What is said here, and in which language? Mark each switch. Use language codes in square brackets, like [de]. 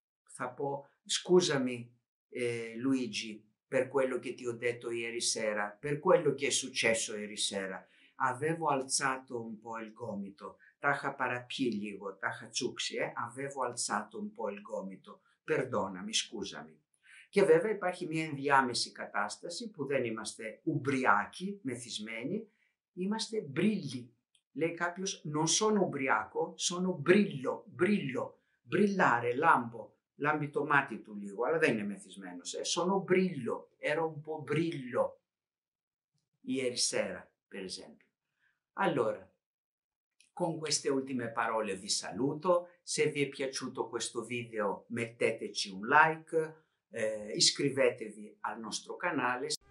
[it] Θα πω, scusami, Luigi, per quello che ti ho detto ieri sera, per quello che è successo ieri sera. Avevo alzato un po' il gomito, t'aha parapì λίγο, t'aha τσούξει, avevo alzato un po' il gomito, perdonami, scusami. [el] Και βέβαια υπάρχει μια ενδιάμεση κατάσταση που δεν είμαστε ουμπριάκοι, μεθυσμένοι, είμαστε μπρίλοι. Λέει κάποιος, [it] non sono ubriaco, sono brillo, brillo, brillare, lampo. [el] Λάμπει το μάτι του λίγο, αλλά δεν είναι μεθυσμένος. [it] Sono brillo, ero un po' brillo. Ieri sera, per esempio. Allora, con queste ultime parole vi saluto. Se vi è piaciuto questo video, metteteci un like, iscrivetevi al nostro canale.